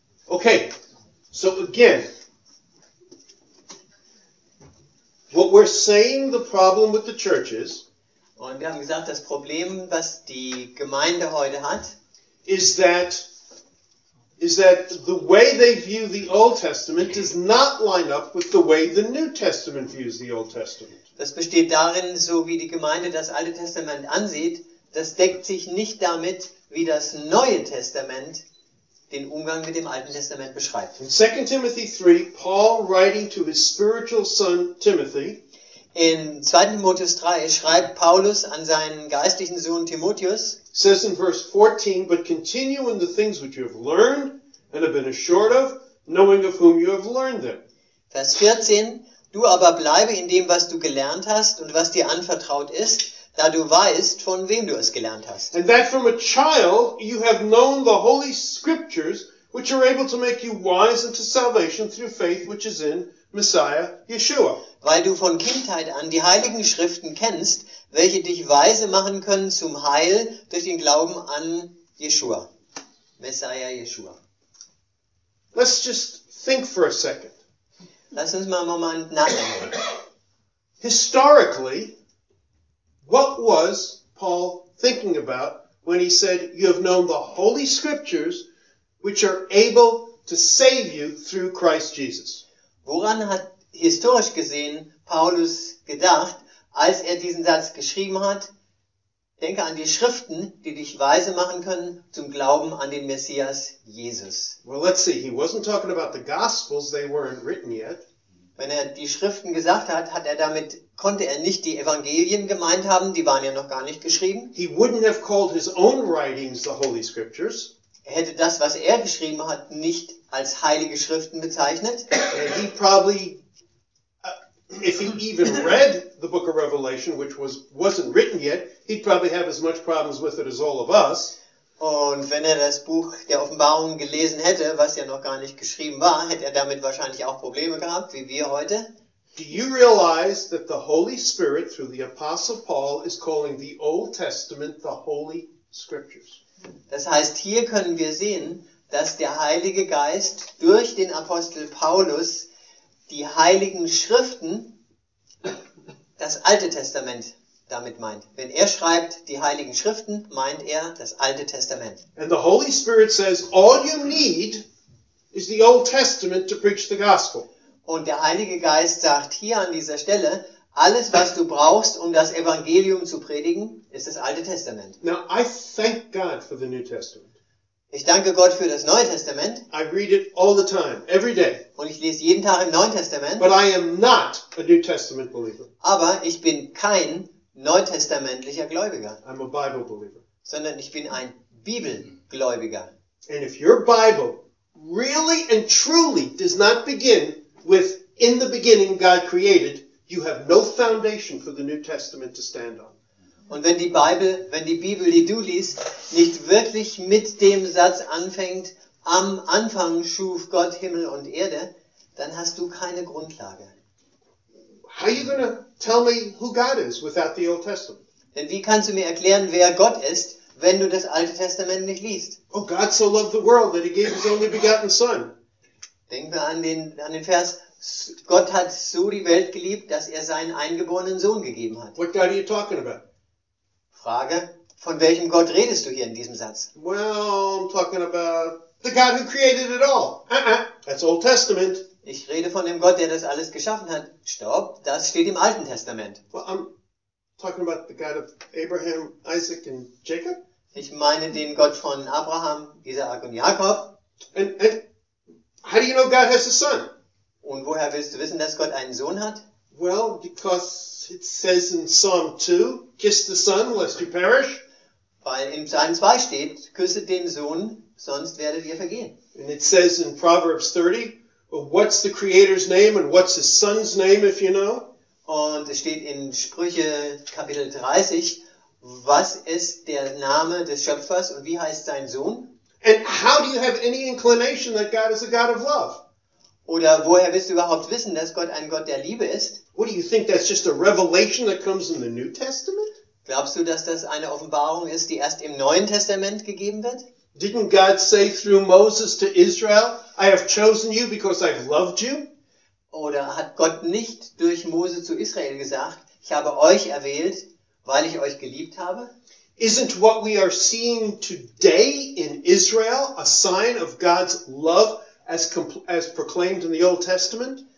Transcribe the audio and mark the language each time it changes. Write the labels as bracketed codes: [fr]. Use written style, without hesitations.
[en] Okay, so again, what we're saying the problem with the church is, [de] und wir haben gesagt, das Problem, was die Gemeinde heute hat, [en] is that the way they view the Old Testament does not line up with the way the New Testament views the Old Testament. [de] Das besteht darin, so wie die Gemeinde das Alte Testament ansieht, das deckt sich nicht damit, wie das Neue Testament den Umgang mit dem Alten Testament beschreibt. [en] In 2 Timothy 3, Paul writing to his spiritual son Timothy, [de] in 2. Timotheus 3 schreibt Paulus an seinen geistlichen Sohn Timotheus, [en] says in verse 14, but continue in the things which you have learned and have been assured of, knowing of whom you have learned them. [de] Vers 14, du aber bleibe in dem, was du gelernt hast und was dir anvertraut ist, da du weißt, von wem du es gelernt hast. [en] And that from a child you have known the holy scriptures, which are able to make you wise unto salvation through faith which is in Messiah Yeshua. [de] Weil du von Kindheit an die heiligen Schriften kennst, welche dich weise machen können zum Heil durch den Glauben an Yeshua. [en] Messiah Yeshua. Let's just think for a second. [de] Lass uns mal einen Moment nachdenken. [en] Historically, what was Paul thinking about when he said, you have known the holy scriptures which are able to save you through Christ Jesus? [de] Woran hat historisch gesehen Paulus gedacht, als er diesen Satz geschrieben hat? Denke an die Schriften, die dich weise machen können zum Glauben an den Messias Jesus. [en] Well, let's see. He wasn't talking about the Gospels. They weren't written yet. [de] Wenn er die Schriften gesagt hat, hat er damit, konnte er nicht die Evangelien gemeint haben, die waren ja noch gar nicht geschrieben. [en] He wouldn't have called his own writings the Holy Scriptures. [de] Er hätte das, was er geschrieben hat, nicht als heilige Schriften bezeichnet. [en] He probably, if he even read the book of Revelation, which wasn't written yet, he'd probably have as much problems with it as all of us. [de] Und wenn er das Buch der Offenbarung gelesen hätte, was ja noch gar nicht geschrieben war, hätte er damit wahrscheinlich auch Probleme gehabt, wie wir heute. [en] Do you realize that the Holy Spirit through the Apostle Paul is calling the Old Testament the Holy Scriptures? [de] Das heißt, hier können wir sehen, dass der Heilige Geist durch den Apostel Paulus die heiligen Schriften, das Alte Testament, damit meint. Wenn er schreibt, die heiligen Schriften, meint er das Alte Testament. [en] And the Holy Spirit says, all you need is the Old Testament to preach the gospel. [de] Und der Heilige Geist sagt hier an dieser Stelle, alles, was du brauchst, um das Evangelium zu predigen, ist das Alte Testament. [en] Now, I thank God for the New Testament. [de] Ich danke Gott für das Neue Testament. [en] I read it all the time, every day. [de] Und ich lese jeden Tag im Neuen Testament. [en] But I am not a New Testament believer. [de] Aber ich bin kein neutestamentlicher Gläubiger. [en] I'm a Bible believer. [de] Sondern ich bin ein Bibelgläubiger. [en] And if your Bible really and truly does not begin with in the beginning God created, you have no foundation for the New Testament to stand on. [de] Und wenn die Bibel, die du liest, nicht wirklich mit dem Satz anfängt, am Anfang schuf Gott Himmel und Erde, dann hast du keine Grundlage. [en] How are you going to tell me who God is without the Old Testament? [de] Denn wie kannst du mir erklären, wer Gott ist, wenn du das Alte Testament nicht liest? [en] Oh, God so loved the world that he gave his only begotten Son. [de] Denk mal an den Vers, Gott hat so die Welt geliebt, dass er seinen eingeborenen Sohn gegeben hat. [en] What God are you talking about? [de] Frage, von welchem Gott redest du hier in diesem Satz? [en] Well, I'm talking about the God who created it all. That's Old Testament. [de] Ich rede von dem Gott, der das alles geschaffen hat. Stopp, das steht im Alten Testament. [en] Well, I'm talking about the God of Abraham, Isaac and Jacob. [de] Ich meine den Gott von Abraham, Isaac und Jakob. [en] And how do you know God has a son? [de] Und woher willst du wissen, dass Gott einen Sohn hat? [en] Well, because it says in Psalm 2, kiss the son, lest you perish. [de] Weil in Psalm 2 steht, küsset den Sohn, sonst werdet ihr vergehen. [en] And it says in Proverbs 30, what's the creator's name and what's his son's name, if you know? [de] Und es steht in Sprüche Kapitel 30, Was ist der Name des Schöpfers und wie heißt sein Sohn? [en] And how do you have any inclination that God is a God of love? [de] Oder woher willst du überhaupt wissen, dass Gott ein Gott der Liebe ist? [en] What do you think, that's just a revelation that comes in the New Testament? [de] Glaubst du, dass das eine Offenbarung ist, die erst im Neuen Testament gegeben wird? [en] Didn't God say through Moses to Israel, I have chosen you because I've loved you? [de] Oder hat Gott nicht durch Mose zu Israel gesagt, ich habe euch erwählt, weil ich euch geliebt habe? [en] Isn't what we are seeing today in Israel a sign of God's love as proclaimed in the Old Testament?